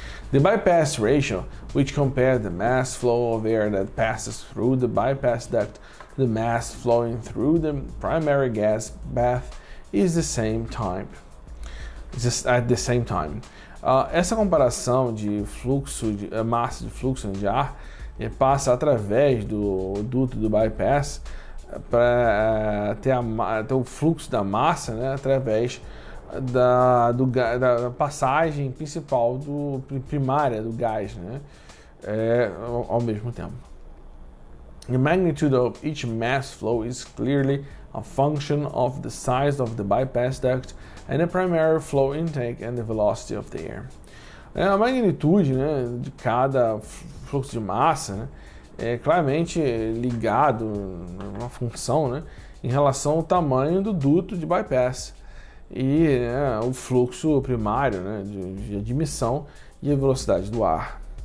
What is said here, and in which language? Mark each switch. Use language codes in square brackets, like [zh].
[en] The bypass ratio, which compares the mass flow of air that passes through the bypass duct to the mass flowing through the primary gas bath, is the same time. Just at the same time. [pt] Essa comparação de fluxo, de massa de fluxo de ar, passa através do duto do bypass para ter o fluxo da massa, né, através da passagem principal do primária do gás, né, ao mesmo tempo. [en] The magnitude of each mass flow is clearly a function of the size of the bypass duct and the primary flow intake and the velocity of the air. [pt] A magnitude, né, de cada fluxo de massa, né, é claramente ligado a uma função, né, em relação ao tamanho do duto de bypass e, né, o fluxo primário, né, de admissão e a velocidade do ar.